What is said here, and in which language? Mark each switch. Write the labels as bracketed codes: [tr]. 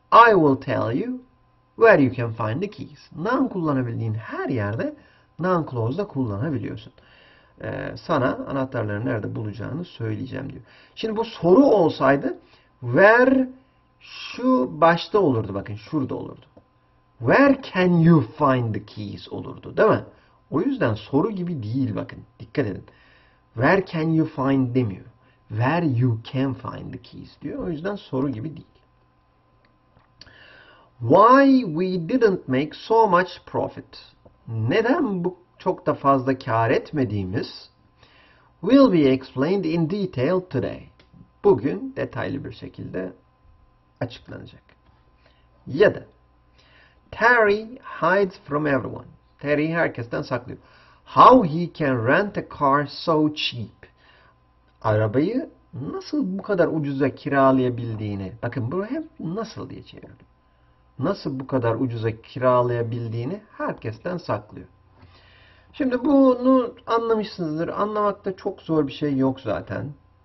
[en] I will tell you where you can find the keys. [tr] Noun kullanabildiğin her yerde noun clause da kullanabiliyorsun. Sana anahtarları nerede bulacağını söyleyeceğim diyor. Şimdi bu soru olsaydı where şu başta olurdu, bakın şurada olurdu. [en] Where can you find the keys [tr] olurdu, değil mi? O yüzden soru gibi değil bakın. Dikkat edin. [en] Where can you find [tr] demiyor. [en] Where you can find the keys [tr] diyor. O yüzden soru gibi değil. [en] Why we didn't make so much profit? [tr] Neden bu çok da fazla kâr etmediğimiz? [en] Will be explained in detail today. [tr] Bugün detaylı bir şekilde açıklanacak. Ya da [en] Terry hides from everyone. [tr] Terry herkesten saklıyor. [en] How he can rent a car so cheap? [tr] Arabayı nasıl bu kadar ucuza kiralayabildiğini, bakın bunu hep nasıl diye çevirdim. Nasıl bu kadar ucuza kiralayabildiğini herkesten saklıyor. Şimdi bunu anlamışsınızdır. Anlamakta çok zor bir şey yok zaten.